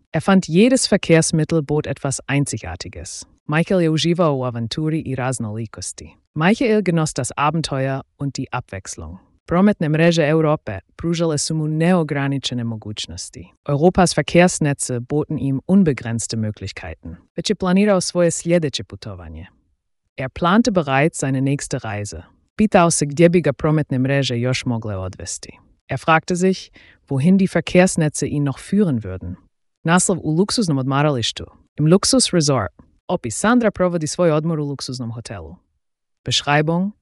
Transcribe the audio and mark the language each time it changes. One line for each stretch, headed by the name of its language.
German: Er fand jedes Verkehrsmittel bot etwas Einzigartiges.
Croatian: Michael je uživao u avanturi i raznolikosti.
German: Michael genoss das Abenteuer und die Abwechslung.
Croatian: Prometne mreže Europe pružale su mu neograničene mogućnosti.
German: Europas Verkehrsnetze boten ihm unbegrenzte Möglichkeiten.
Croatian: Već je planirao svoje sljedeće putovanje.
German: Er plante bereits seine nächste Reise.
Croatian: Pitao se gdje bi ga prometne mreže još mogle odvesti.
German: Er fragte sich, wohin die Verkehrsnetze ihn noch führen würden.
Croatian: Naslov u luksuznom odmaralištu.
German: Im Luxusresort.
Croatian: Opis, Sandra provodi svoj odmor u luksuznom hotelu. Beschreibung.